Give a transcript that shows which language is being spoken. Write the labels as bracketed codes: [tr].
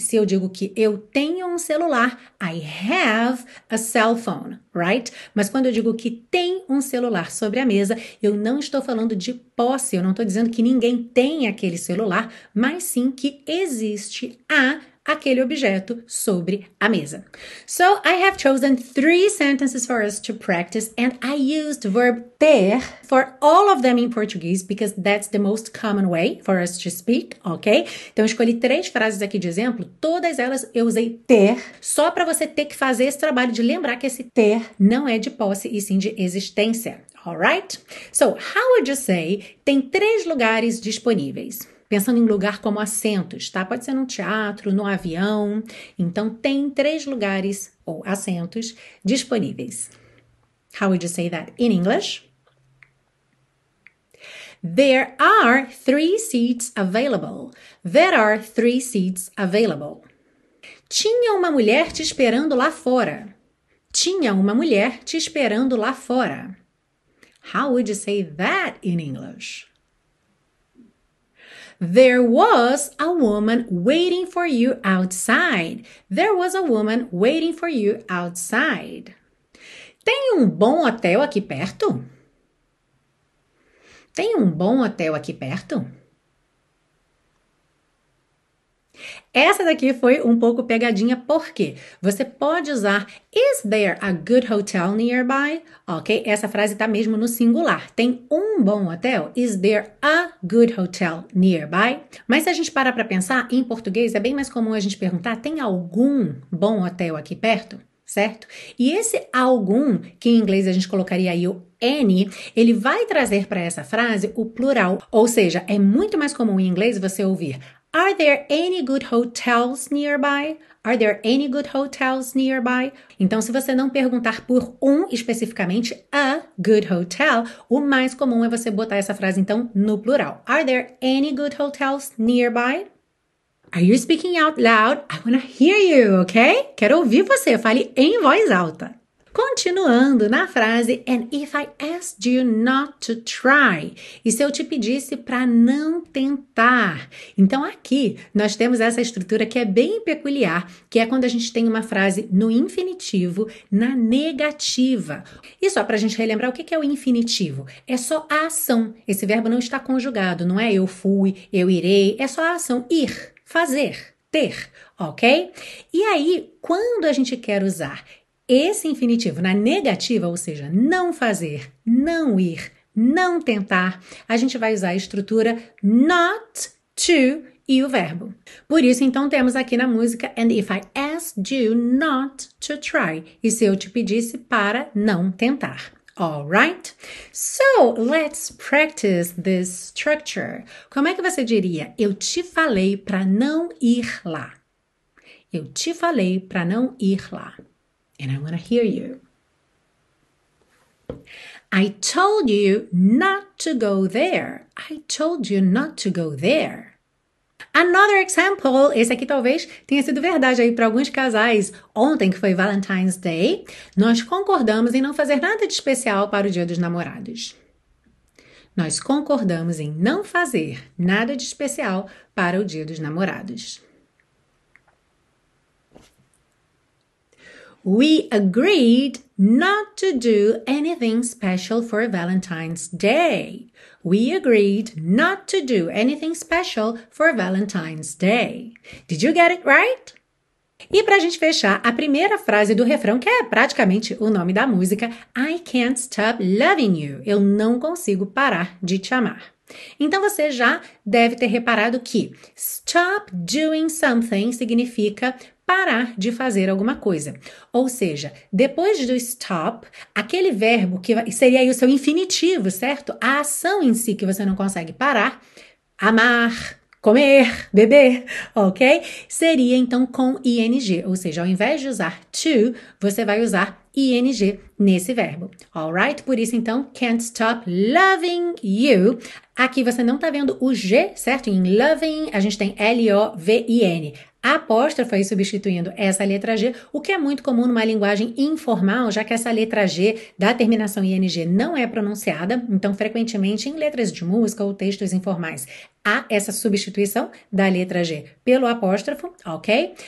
[pt] Se eu digo que eu tenho um celular, [en] I have a cell phone, right? [pt] Mas quando eu digo que tem um celular sobre a mesa, eu não estou falando de posse, eu não estou dizendo que ninguém tem aquele celular, mas sim que existe a aquele objeto sobre a mesa. [en] So, I have chosen 3 sentences for us to practice, and I used verb ter for all of them in Portuguese, because that's the most common way for us to speak, ok? [pt] Então, eu escolhi 3 frases aqui de exemplo, todas elas eu usei ter, só para você ter que fazer esse trabalho de lembrar que esse ter não é de posse e sim de existência, alright? [en] So, how would you say [pt] tem 3 lugares disponíveis? Pensando em lugar como assentos, tá? Pode ser num teatro, no avião. Então, tem 3 lugares ou assentos disponíveis. [en] How would you say that in English? There are 3 seats available. There are 3 seats available. [pt] Tinha uma mulher te esperando lá fora. Tinha uma mulher te esperando lá fora. [en] How would you say that in English? There was a woman waiting for you outside. There was a woman waiting for you outside. [pt] Tem um bom hotel aqui perto? Tem um bom hotel aqui perto? Essa daqui foi um pouco pegadinha, porque você pode usar [en] Is there a good hotel nearby? [pt] Ok? Essa frase tá mesmo no singular. Tem um bom hotel? [en] Is there a good hotel nearby? [pt] Mas se a gente parar pra pensar, em português é bem mais comum a gente perguntar tem algum bom hotel aqui perto? Certo? E esse algum, que em inglês a gente colocaria aí o any, ele vai trazer para essa frase o plural. Ou seja, é muito mais comum em inglês você ouvir [en] Are there any good hotels nearby? Are there any good hotels nearby? [pt] Então, se você não perguntar por um especificamente, [en] a good hotel, [pt] o mais comum é você botar essa frase, então, no plural. [en] Are there any good hotels nearby? Are you speaking out loud? I want to hear you, ok? [pt] Quero ouvir você. Fale em voz alta. Continuando na frase, [en] and if I asked you not to try, [pt] e se eu te pedisse para não tentar? Então aqui nós temos essa estrutura que é bem peculiar, que é quando a gente tem uma frase no infinitivo, na negativa. E só para a gente relembrar o que é o infinitivo, é só a ação, esse verbo não está conjugado, não é eu fui, eu irei, é só a ação, ir, fazer, ter, ok? E aí, quando a gente quer usar esse infinitivo na negativa, ou seja, não fazer, não ir, não tentar, a gente vai usar a estrutura not to e o verbo. Por isso, então, temos aqui na música, [en] and if I asked you not to try, [pt] e se eu te pedisse para não tentar. [en] Alright? So, let's practice this structure. [pt] Como é que você diria, eu te falei para não ir lá? Eu te falei para não ir lá. [en] And I want to hear you. I told you not to go there. I told you not to go there. Another example. [pt] Esse aqui talvez tenha sido verdade aí para alguns casais. Ontem, que foi Valentine's Day, nós concordamos em não fazer nada de especial para o Dia dos Namorados. Nós concordamos em não fazer nada de especial para o Dia dos Namorados. [en] We agreed not to do anything special for Valentine's Day. We agreed not to do anything special for Valentine's Day. Did you get it right? [pt] E pra gente fechar, a primeira frase do refrão, que é praticamente o nome da música, [en] I can't stop loving you. [pt] Eu não consigo parar de te amar. Então, você já deve ter reparado que [en] stop doing something [pt] significa parar de fazer alguma coisa. Ou seja, depois do stop, aquele verbo que seria aí o seu infinitivo, certo? A ação em si que você não consegue parar, amar, comer, beber, ok? Seria então com ing, ou seja, ao invés de usar to, você vai usar ing nesse verbo, alright? Por isso então, [en] can't stop loving you. [pt] Aqui você não tá vendo o G, certo? Em loving, a gente tem L-O-V-I-N. apóstrofa e substituindo essa letra G, o que é muito comum numa linguagem informal, já que essa letra G da terminação ING não é pronunciada. Então, frequentemente, em letras de música ou textos informais, há essa substituição da letra G pelo apóstrofo, ok?